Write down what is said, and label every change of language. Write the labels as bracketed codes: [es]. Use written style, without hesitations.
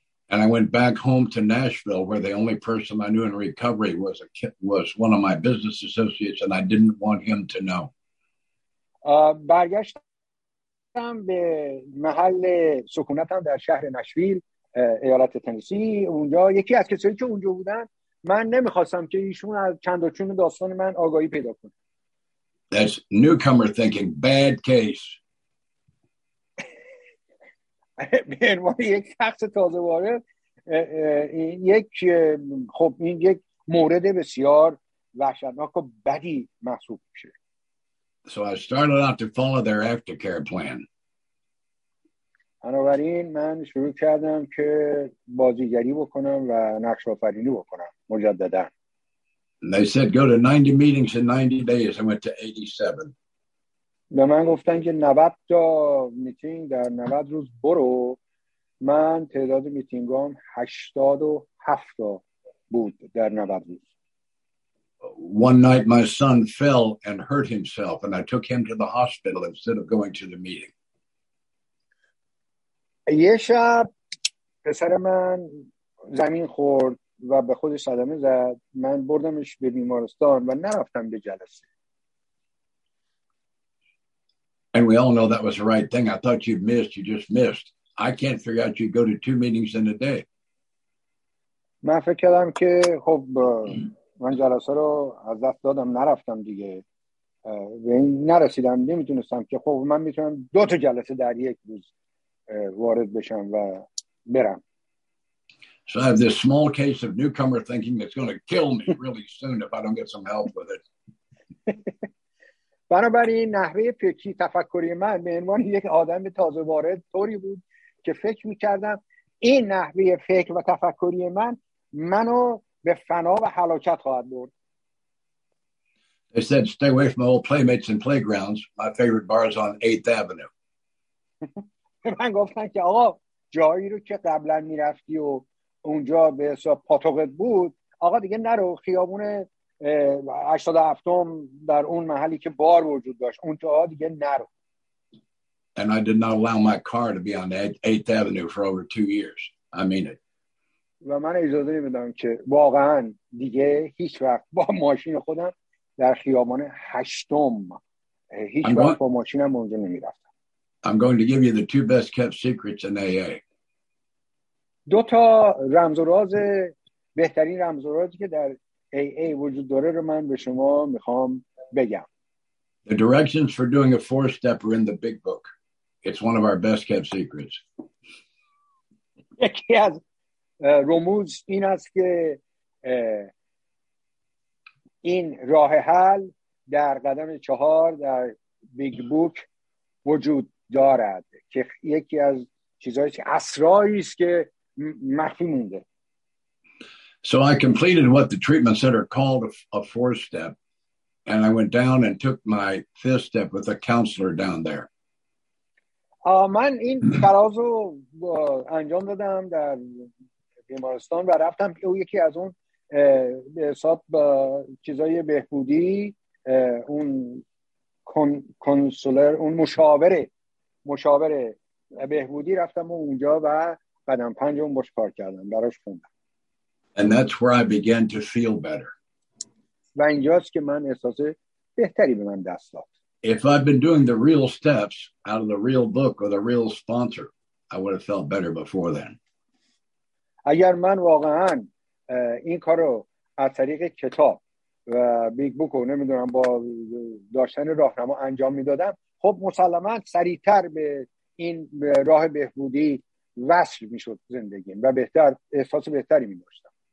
[en] And I went back home to Nashville where the only person I knew in recovery was one of my business associates and I didn't want him to know. [fa] برگشتم به محل سکونتم در شهر نشویل ایالت تنسی. اونجا یکی از کسایی که اونجا بودن من نمیخواستم که ایشون از چند و چون داستان من آگاهی پیدا کنه. [en] That's newcomer thinking, bad case. [fa] به عنوان یک شخص تازه وارد یک خب این یک مورد بسیار وحشتناک و بدی محسوب میشه. [en] So I started out to follow their aftercare plan. [fa] بنابراین من شروع کردم که بازیگری بکنم و نقش آفرینی بکنم مجددا. [en] They said go to 90 meetings in 90 days. I went to 87. [fa] به من گفتن که 90 تا میتینگ در 90 روز برو. من تعداد میتینگام 87 تا بود در 90 روز. [en] One night my son fell and hurt himself and I took him to the hospital instead of going to the meeting. [fa] یه شب پسر من زمین خورد و به خودش صدمه زد. من بردمش به بیمارستان و نرفتم به جلسه. [en] And we all know that was the right thing. I thought you'd missed. You just missed. I can't figure out you'd go to 2 meetings in a day. [fa] من فکر کردم که خب من جلسه رو از دست دادم نرفتم دیگه. و این نرسیدم. نمیتونستم که خب من میتونم 2 جلسه در یک روز وارد بشم و برم. [en] So I have this small case of newcomer thinking that's going to kill me really soon if I don't get some help with it. [fa] بنابراین نحوه پیچی تفکری من به عنوان یک آدم تازه وارد طوری بود که فکر میکردم این نحوه فکر و تفکری من منو به فنا و هلاکت خواهد برد. [en] They said stay away from old playmates and playgrounds. My favorite bar is on 8th Avenue. [fa] من گفتن که آقا جایی رو که قبلا میرفتی و اونجا به حساب پاتوقت بود آقا دیگه نرو، خیابون 87 در اون محلی که بار وجود داشت اونجا دیگه نرو. [en] And I did not allow my car to be on 8th Avenue for over 2 years. I mean it. [fa] و من اجازه نمیدم که واقعا دیگه هیچ وقت با ماشین خودم در خیابان 8 هیچ وقت با ماشینم اونجا نمیرفتم. [en] I'm going to give you the 2 best kept secrets in AA. [fa] دو تا رمز و راز بهترین رمز و رازی که در AA وجود داره رو من به شما میخوام بگم. [en] The directions for doing a 4-step are in the big book. It's one of our best kept secrets. [fa] یکی از رموز این است که این راه حل در قدم 4 در big book وجود دارد که یکی از چیزهایی که اسراری است که مخفی مونده. [en] So I completed what the treatment center called a 4-step and I went down and took my 5th step with a counselor down there. [fa] من این تراز رو انجام دادم در بیمارستان و رفتم او یکی از اون به حساب چیزهای بهبودی اون کنسولر اون مشاور بهبودی رفتم و اونجا و قدم 5 باش کار کردم براش خوندم. [en] And that's where I began to feel better. [fa] و اینجاست که من احساس بهتری به من دست داد. [en] If I'd been doing the real steps out of the real book or the real sponsor, I would have felt better before then. [fa] اگر من واقعا این کارو از طریق کتاب و بیگ بوک و نمیدونم با داشتن راهنما انجام میدادم، خب مسلما سریعتر به این راه بهبودی وصل میشد زندگیم و بهتر احساس بهتری می داشتم.